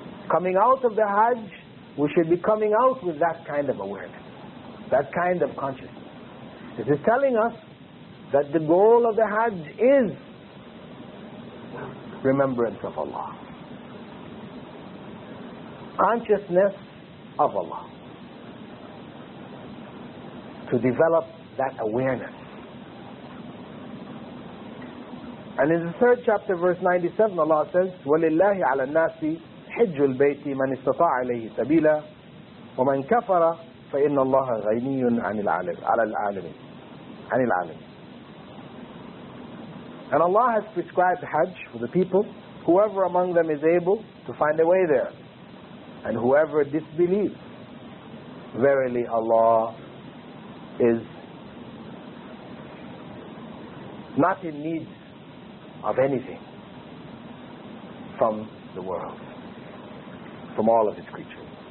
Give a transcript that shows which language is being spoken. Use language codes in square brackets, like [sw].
[en] Coming out of the Hajj, we should be coming out with that kind of awareness, that kind of consciousness. This is telling us that the goal of the Hajj is remembrance of Allah, consciousness of Allah, to develop that awareness. And in the third chapter, verse 97, Allah says, [ar] وَلِلَّهِ عَلَى النَّاسِ حِجُّ الْبَيْتِ مَنِ اسْتَطَاعَ عَلَيْهِ سَبِيلًا وَمَنْ كَفَرَ فَإِنَّ اللَّهَ غَيْنِيٌ عَنِ الْعَالَمِينَ. [en] And Allah has prescribed Hajj for the people. Whoever among them is able to find a way there, and whoever disbelieves, verily Allah is not in need of anything from the world, from all of His creatures.